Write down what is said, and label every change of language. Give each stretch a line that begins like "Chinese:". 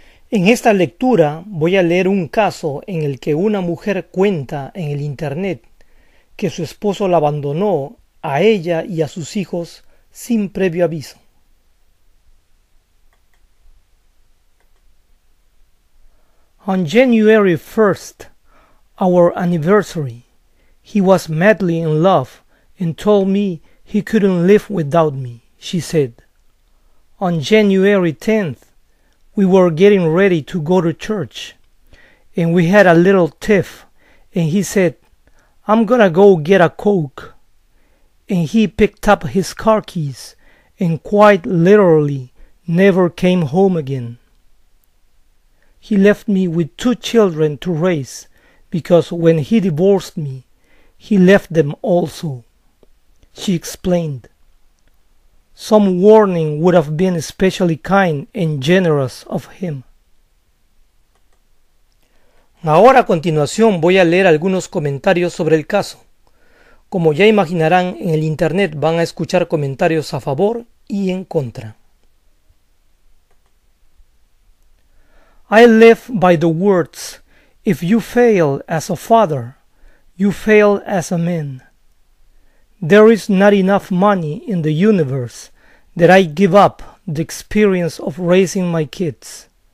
Spanish: En esta lectura voy a leer un caso en el que una mujer cuenta en el internet que su esposo la abandonó a ella y a sus hijos sin previo aviso.
English: On January 1st, our anniversary, he was madly in love and told me he couldn't live without me, she said. On January 10th, we were getting ready to go to church, and we had a little tiff, and he said, "I'm gonna go get a Coke." And he picked up his car keys and quite literally never came home again. He left me with two children to raise because when he divorced me, he left them also, she explained. Some warning would have been especially kind and generous of him.
Spanish: Ahora a continuación voy a leer algunos comentarios sobre el caso. Como ya imaginarán, en el internet van a escuchar comentarios a favor y en contra.
English: I live by the words, if you fail as a father, you fail as a man. There is not enough money in the universe that I give up the experience of raising my kids.